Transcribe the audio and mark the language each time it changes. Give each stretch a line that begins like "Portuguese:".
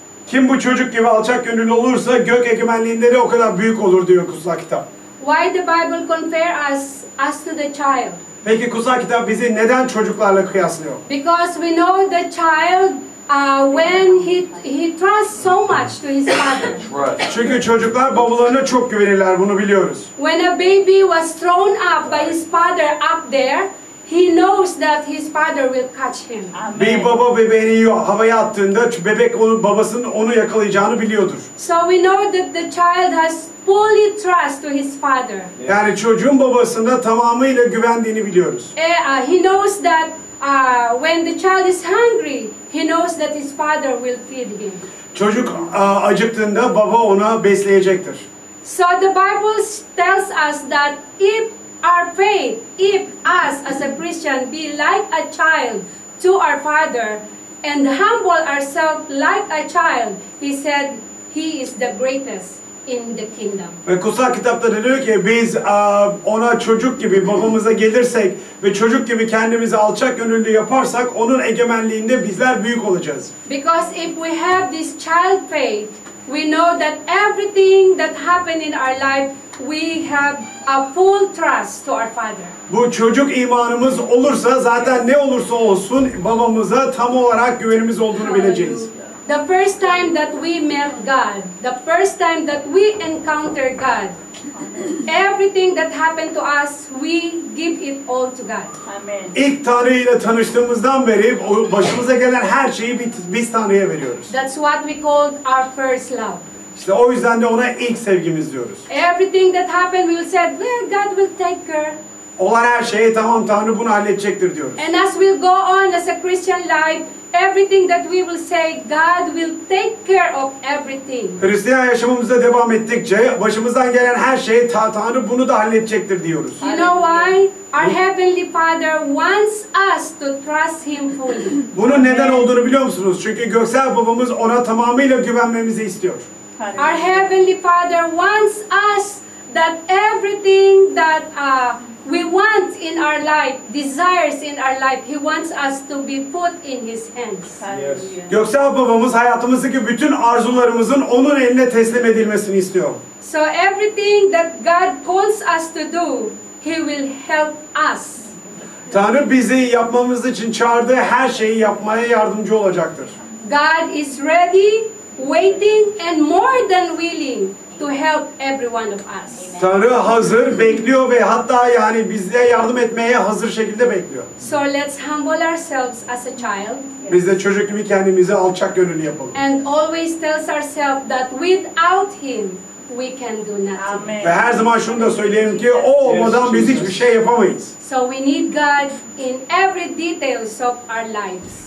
Turkish: Kim bu çocuk gibi alçak gönüllü olursa gök egemenliğinde de o kadar büyük olur diyor Kutsal Kitap.
English: Why the Bible compare us to the child?
Turkish: Peki Kutsal Kitap bizi neden çocuklarla kıyaslıyor?
English: Because we know the child when he trusts so much to his father.
Turkish: Çünkü çocuklar babalarına çok güvenirler, bunu biliyoruz.
English: When a baby was thrown up by his father up there, He knows that his father will catch him. Amen.
Turkish: Bir baba bebeğini havaya attığında bebek onun babasının onu yakalayacağını biliyordur.
English: So we know that the child has fully trust to his father.
Turkish: Yani çocuğun babasına tamamıyla güvendiğini biliyoruz.
English: He knows that when the child is hungry, he knows that his father will feed him.
Turkish: Çocuk acıktığında baba ona besleyecektir.
English: So the Bible tells us that if our faith, if us as a Christian be like a child to our father and humble ourselves like a child, he said he is the greatest in the kingdom.
Turkish: Ve kutsal kitapta diyor ki biz ona çocuk gibi babamıza gelirsek ve çocuk gibi kendimizi alçak gönüllü yaparsak onun egemenliğinde bizler büyük olacağız.
English: Because if we have this child faith, we know that everything that happened in our life, we have a full trust to our father.
Turkish: Bu çocuk imanımız olursa zaten ne olursa olsun babamıza tam olarak güvenimiz olduğunu bileceğiz.
English: The first time that we met God, the first time that we encounter God, everything that happened to us, we give it all to God. Amen.
Turkish: İlk Tanrı'yla tanıştığımızdan beri başımıza gelen her şeyi biz Tanrı'ya veriyoruz.
English: That's what we call our first love.
Turkish: İşte o yüzden de ona ilk sevgimiz diyoruz.
English: Everything that happened, we said, well, God will take care.
Turkish: Olan her şeye tamam, Tanrı bunu halledecektir diyoruz.
English: And as we go on as a Christian life, everything that we will say, God will take care of everything.
Turkish: Hristiyan yaşamımıza devam ettikçe başımızdan gelen her şeyi Tanrı bunu da halledecektir diyoruz.
English: You know why? Our Heavenly Father wants us to trust Him fully.
Turkish: Bunun neden olduğunu biliyor musunuz? Çünkü göksel babamız ona tamamıyla güvenmemizi istiyor.
English: Our Heavenly Father wants us that everything that we want in our life, desires in our life, He wants us to be put in His hands. Yes.
Turkish: Göksel babamız hayatımızdaki bütün arzularımızın onun eline teslim edilmesini istiyor.
English: So everything that God calls us to do, He will help us.
Turkish: Tanrı bizi yapmamız için çağırdığı her şeyi yapmaya yardımcı olacaktır.
English: God is ready, waiting and more than willing to help every one of us.
Turkish: Tanrı hazır, bekliyor ve hatta yani bize yardım etmeye hazır şekilde bekliyor.
English: So let's humble ourselves as a child.
Turkish: Biz de çocuk gibi kendimizi alçak gönüllü yapalım.
English: And always tells ourselves that without Him we can do nothing. Amen.
Turkish: Ve her zaman şunu da söyleyelim ki O olmadan biz hiçbir şey yapamayız.
English: So we need God in every details of our lives.